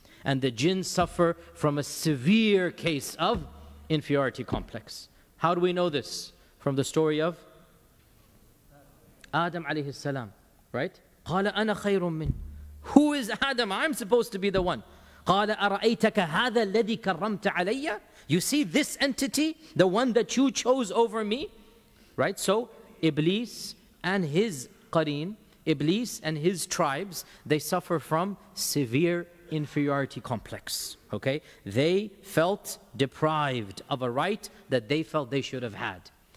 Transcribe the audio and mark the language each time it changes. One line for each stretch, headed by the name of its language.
English: And the jinn suffer from a severe case of inferiority complex. How do we know this? From the story of Adam alayhi salam. right?
Arabic: قال أنا خير من.
English: Who is Adam? I'm supposed to be the one.
Arabic: قال أرأيتك هذا الذي كرمت علي.
English: You see this entity, the one that you chose over me, right? So Iblis and his qareen, Iblis and his tribes, they suffer from severe inferiority complex. Okay, they felt deprived of a right that they felt they should have had.